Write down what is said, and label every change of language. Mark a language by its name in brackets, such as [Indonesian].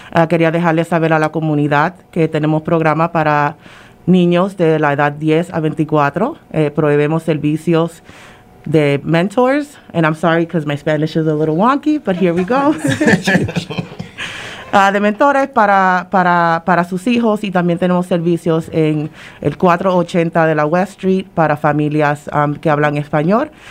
[Spanish] Quería dejarles saber a la comunidad que tenemos programa para niños de la edad 10 a 24. Proveemos servicios de mentors. [English] And I'm sorry because my Spanish is a little wonky, but here we go. [Spanish] De mentores para sus hijos, y también tenemos servicios en el 480 de la West Street para familias que hablan español.